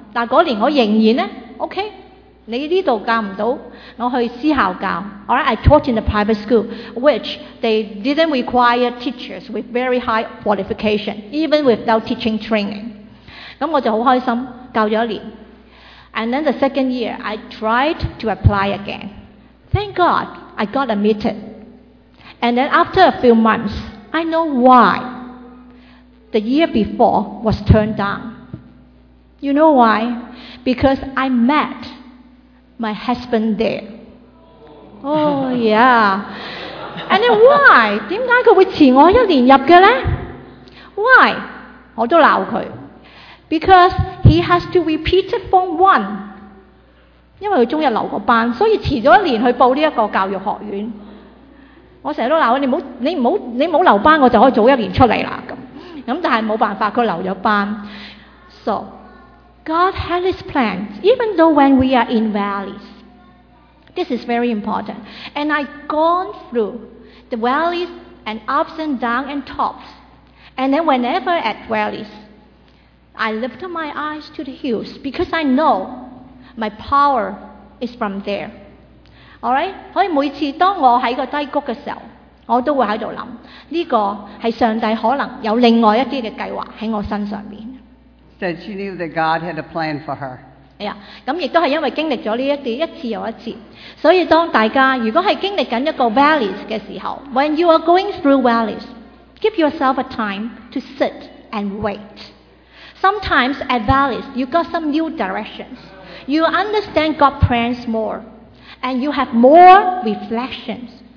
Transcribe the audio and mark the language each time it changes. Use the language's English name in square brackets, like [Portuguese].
[Cantonese] 但嗰年我仍然咧 ，OK， 你呢度教唔到，我去私校教。 [English] All right, I taught in a private school, which they didn't require teachers with very high qualification, even without teaching training. [Cantonese] 咁我就好开心，教咗一年。 [English] And then the second year, I tried to apply again. Thank God, I got admitted. And then after a few months, I know why the year before was turned down. You know why? Because I met my husband there. Oh, yeah. And then why? [Cantonese] 點解佢會遲我一年入嘅呢? [English] Why? [Cantonese] 我都鬧佢。 [English] Because he has to repeat form one, [Cantonese] 因為佢中一留過班，所以遲咗一年去報呢一個教育學院。我成日都鬧佢，你冇留班，我就可以早一年出嚟啦。咁但係冇辦法，佢留咗班。 [English] So God had His plans, even though when we are in valleys, this is very important. And I've gone through the valleys and ups and downs and tops, and then whenever at valleys. I lift my eyes to the hills because I know my power is from there. All right? [Cantonese] 所以每次当我喺个低谷嘅时候，我都会喺度谂，呢个系上帝可能有另外一啲嘅计划喺我身上边。 [English] That she knew that God had a plan for her. [Cantonese] 系啊，咁亦都系因为经历咗呢一啲一次又一次，所以当大家如果系经历紧一个 valleys 嘅时候 ， [English] when you are going through valleys, give yourself a time to sit and wait. Sometimes at valleys, you got some new directions. You understand God's plans more, and you have more reflections.